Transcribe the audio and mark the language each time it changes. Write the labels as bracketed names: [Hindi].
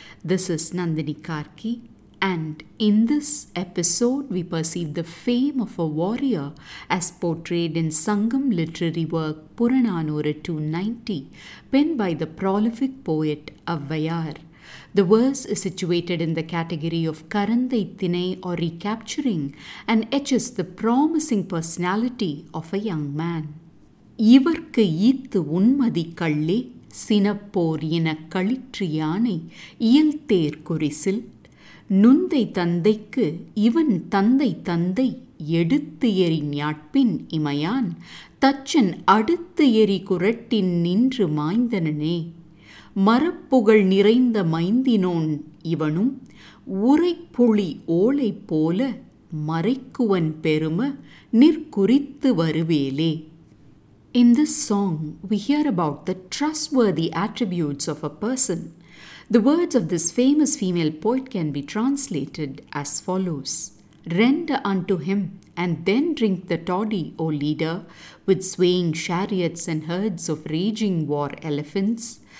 [English] This is Nandini Karki, and in this episode we perceive the fame of a warrior as portrayed in Sangam literary work Puranaanooru 290, penned by the prolific poet Avvaiyaar. The verse is situated in the category of Karanthai Thinai or Recapturing and etches the promising personality of a young man. [Tamil] இவர்க்கு ஈத்து உன்மதி கள்ளே சினப்போர் என கழிற்று யானை இயல்தேர் குறிசில் நுந்தை தந்தைக்கு இவன் தந்தை தந்தை எடுத்து எரி ஞாட்பின் இமையான் தச்சன் அடுத்து எரி குரட்டின் நின்று மாய்ந்தனே மரப்புகழ் நிறைந்த மைந்தினோன் இவனும் உரைப்புளி ஓலை போல மறைக்குவன் பெரும நிற்குறித்து வருவேலே. [English] In this song, we hear about the trustworthy attributes of a person. The words of this famous female poet can be translated as follows. Render unto him and then drink the toddy, O leader, with swaying chariots and herds of raging war elephants.